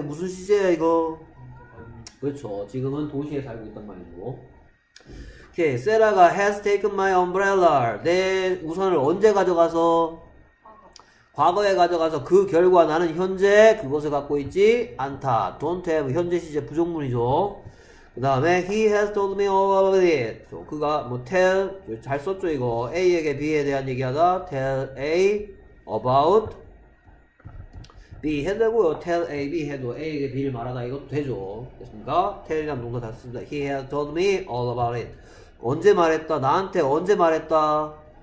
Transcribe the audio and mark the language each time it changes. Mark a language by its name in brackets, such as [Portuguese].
[Korean] 무슨 시제야 이거? 그렇죠. 지금은 도시에 살고 있단 말이죠. 오케이. [English] 세라가 has taken my umbrella. [Korean] 내 우산을 언제 가져가서? 과거에 가져가서 그 결과 나는 현재 그것을 갖고 있지 않다. Don't have 현재 시제 부정문이죠. 그 다음에 [English] he has told me all about it. [Korean] 그가 뭐 tell 잘 썼죠 이거. A에게 B에 대한 얘기하다. [English] Tell A about B [Korean] 해도고요. Tell A, B 해도 A에게 B를 말하다 이것도 되죠. 됐습니까? Tell이란 동사 다 씁니다. [English] He has told me all about it. [Korean] 언제 말했다? 나한테 언제 말했다?